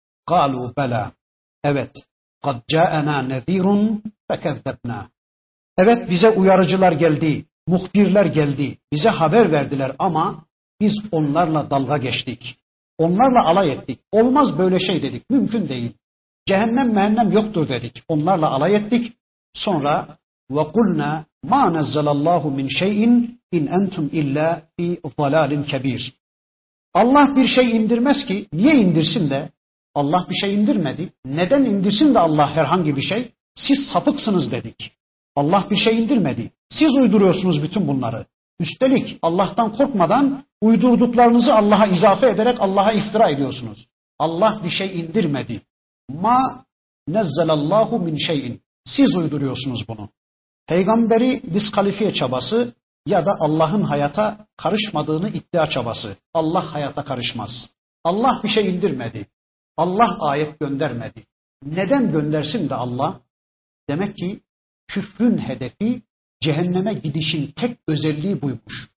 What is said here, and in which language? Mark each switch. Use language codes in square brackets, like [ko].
[ar] قَالُوا بَلَا [tr] Evet, [ar] قَدْ جَاءَنَا نَذ۪يرٌ فَكَذَّبْنَا [tr] Evet, bize uyarıcılar geldi, muhbirler geldi, bize haber verdiler ama biz onlarla dalga geçtik. Onlarla alay ettik. Olmaz böyle şey dedik, mümkün değil. Cehennem mehennem yoktur dedik. Onlarla alay ettik. Sonra [ar] وَقُلْنَا مَا نَزَّلَ اللّٰهُ مِنْ شَيْءٍ اِنْ اَنْتُمْ اِلَّا فِي ضَلَالٍ كَب۪يرٍ [tr] Allah bir şey indirmez ki, niye indirsin de? Allah bir şey indirmedi. Neden indirsin de Allah herhangi bir şey? Siz sapıksınız dedik. Allah bir şey indirmedi. Siz uyduruyorsunuz bütün bunları. Üstelik Allah'tan korkmadan uydurduklarınızı Allah'a izafe ederek Allah'a iftira ediyorsunuz. Allah bir şey indirmedi. [ar] مَا نَزَّلَ اللّٰهُ مِنْ شَيْءٍ [tr] Siz uyduruyorsunuz bunu. Peygamberi diskalifiye çabası ya da Allah'ın hayata karışmadığını iddia çabası. Allah hayata karışmaz. Allah bir şey indirmedi. Allah ayet göndermedi. Neden göndersin de Allah? Demek ki küfrün hedefi cehenneme gidişin tek özelliği buymuş.